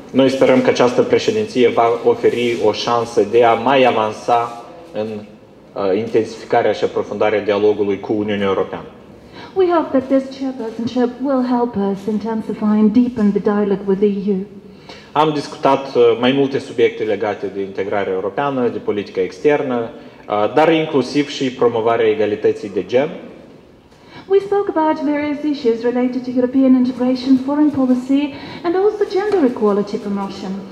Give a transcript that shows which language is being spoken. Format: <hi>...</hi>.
<ro>Noi sperăm că această președinție va oferi o șansă de a mai avansa în intensificarea și aprofundarea dialogului cu Uniunea Europeană.</ro> <en>We hope that this chairpersonship will help us intensify and deepen the dialogue with the EU.</en> <ro>Am discutat mai multe subiecte legate de integrarea europeană, de politica externă, dar inclusiv și promovarea egalității de gen.</ro> <en>We spoke about various issues related to European integration, foreign policy and also gender equality promotion.</en>